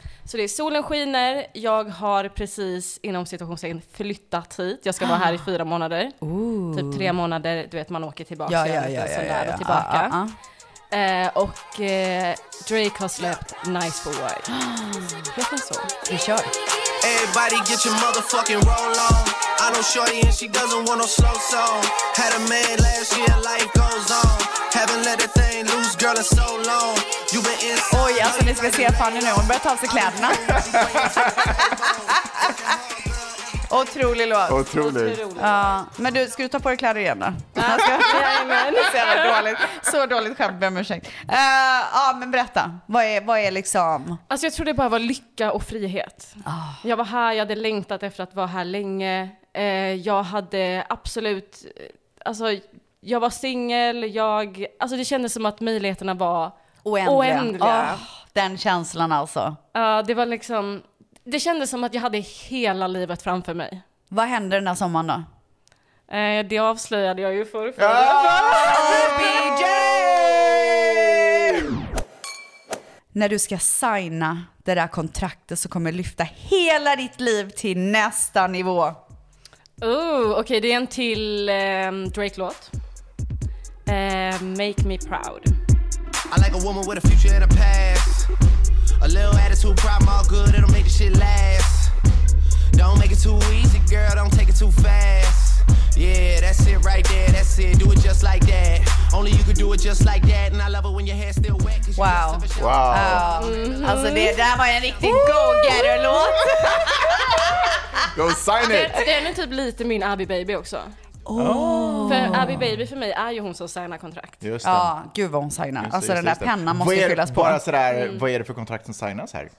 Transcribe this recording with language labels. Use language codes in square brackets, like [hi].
[sv] Så det är solen skiner, jag har precis inom situationen flyttat hit. Jag ska vara här i 4 månader. Typ 3 månader, du vet, man åker tillbaka. Ja. Och Drake har släppt Nice for Work. Det är så. Vi kör. [en] Everybody get your motherfucking roll on. I know shorty and she doesn't want no slow song. Had a man last year, life goes on. Haven't let a thing loose, girl, it's so long. You been in. [sv] Oj, alltså ni ska se Fanny nu. Hon börjar ta av sig kläderna. Otrolig låt. Otrolig. Ja, men du, ska du ta på dig kläder igen då? Jajamän. Så dåligt skämt, ber om ursäkt. Ja, men berätta. Vad är liksom... Alltså jag tror det bara var lycka och frihet. [en] Oh. [sv] Jag var här, jag hade längtat efter att vara här länge. Jag hade absolut... Alltså jag var singel. Alltså det kändes som att möjligheterna var oändliga. Oh, den känslan alltså. Ja, det var liksom... Det kändes som att jag hade hela livet framför mig. Vad hände den här sommaren då? Det avslöjade jag ju för. BJ! När du ska signa det där kontraktet så kommer lyfta hela ditt liv till nästa nivå. Okej, det är en till Drake-låt. [en] Make Me Proud. I like a woman with a future and a past. A little attitude, problem all good, it'll make the shit last. Don't make it too easy, girl, don't take it too fast. Yeah, that's it right there, that's it, do it just like that. Only you could do it just like that, and I love it when your hair still wet. Wow, wow. Mm-hmm. [sv] Alltså det där var en riktig go-getter-låt. [en] Go sign it. [sv] Det är nu typ lite min Abby Baby också. [en] Oh. [sv] För Abby Baby för mig är ju hon som signar kontrakt. Just det. Ja, gud vad hon signar. Alltså den där pennan måste det fyllas på. Bara sådär, vad är det för kontrakt som signas här?